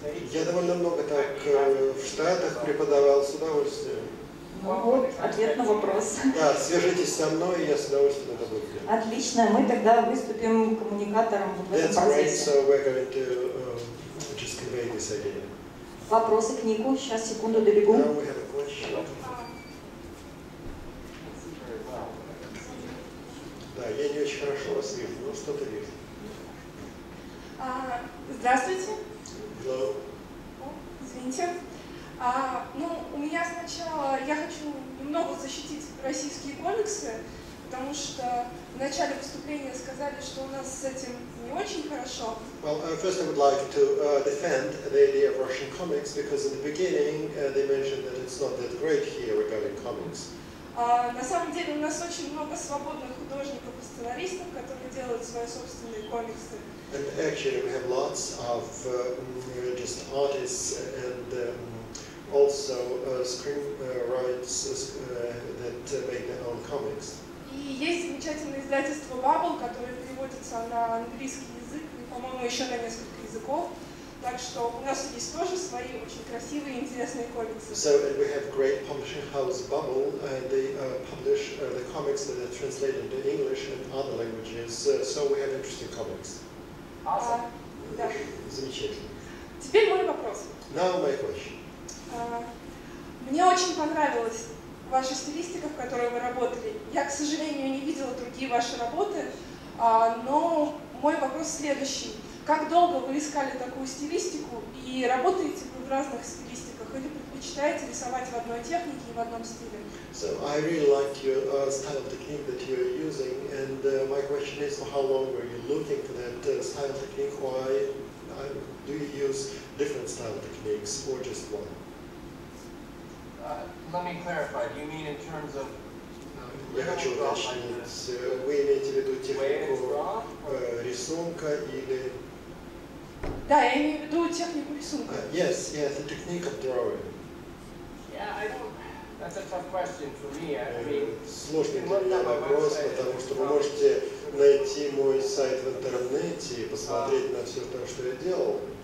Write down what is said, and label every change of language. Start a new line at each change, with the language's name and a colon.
Russian: Я довольно много так в Штатах преподавал с удовольствием. Ну вот, ответ на вопрос. Да, свяжитесь со мной, я с удовольствием это буду делать. Отлично, мы тогда выступим коммуникатором в этом процессе.
English: That's great, so we're going to just convey this idea.
Russian: Вопросы к Нику, сейчас, секунду, добегу.
English: Now we have a question.
Russian: Да, я не очень хорошо вас вижу, но что-то вижу. Здравствуйте.
English: Hello.
Russian: Извините. Ну, у меня сначала, я хочу немного защитить российские комиксы, потому что в начале выступления сказали, что у нас с этим не очень хорошо.
English: Well, first I would like to defend the idea of Russian comics, because in the beginning they mentioned that it's not that great here regarding comics.
Russian: На самом деле у нас очень много свободных художников и сценаристов, которые делают свои собственные комиксы.
English: And actually we have lots of just artists and also screenwriters that make their own comics.
Russian: И есть замечательное издательство Bubble, которое переводится на английский язык и, по-моему, еще на несколько языков. Так что у нас есть тоже свои очень красивые и интересные комиксы.
English: So we have great publishing house Bubble, and they publish the comics that are translated into English and other languages. So we have interesting comics. Awesome. Да.
Russian: Замечательно. Теперь мой вопрос.
English: Now my question.
Russian: Мне очень понравилась ваша стилистика, в которой вы работали. Я, к сожалению, не видела другие ваши работы, но мой вопрос следующий. Как долго вы искали такую стилистику и работаете вы в разных стилистиках или предпочитаете рисовать в одной технике и в одном стиле?
English: So I really like your style of technique that you're using, and my question is, for how long were you looking for that style of technique? Why do you use different style of techniques or just one? Let me clarify. Do you mean in terms of?
Russian: Я хочу уточнить. Вы имеете в виду технику рисунка или? Да, я имею в виду технику рисунка.
English: Yes, yes, the technique of drawing. Yeah, I don't. That's a tough question for me. I mean,
Russian: сложный для меня вопрос, потому что вы можете найти мой сайт в интернете и посмотреть на все то, что я делал.